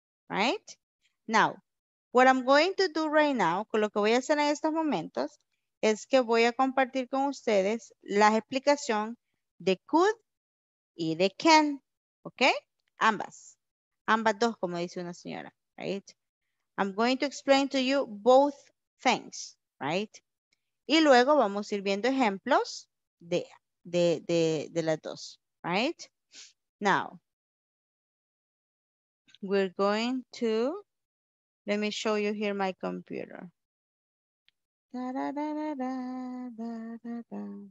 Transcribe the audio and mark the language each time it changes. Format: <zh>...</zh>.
<es>Right?</es> <en>Now, what I'm going to do right now,</en> <es>con lo que voy a hacer en estos momentos, es que voy a compartir con ustedes la explicación de could y de can. Okay? Ambas. Ambas dos, como dice una señora. Right?</es> <en>I'm going to explain to you both things, right?</en> <es>Y luego vamos a ir viendo ejemplos de las dos, right?</es> <en>Now, we're going to, let me show you here my computer. Da, da, da, da, da, da, da, da.</en>